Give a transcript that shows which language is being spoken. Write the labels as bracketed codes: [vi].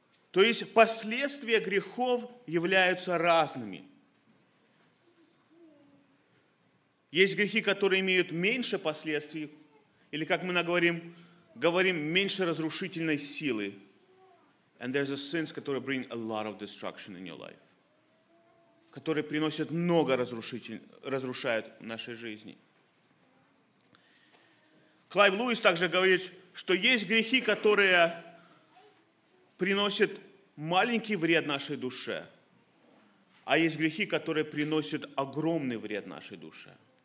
[ru] То есть последствия грехов являются разными. Есть грехи, которые имеют меньше последствий, или, как мы говорим, меньше разрушительной силы. [en] And there's a sins, [ru] которые [en] bring a lot of destruction in your life. [ru] Которые приносят много разрушают в нашей жизни. Клайв Луис также говорит, что есть грехи, которые приносят маленький вред нашей душе, а есть грехи, которые приносят огромный вред нашей душе.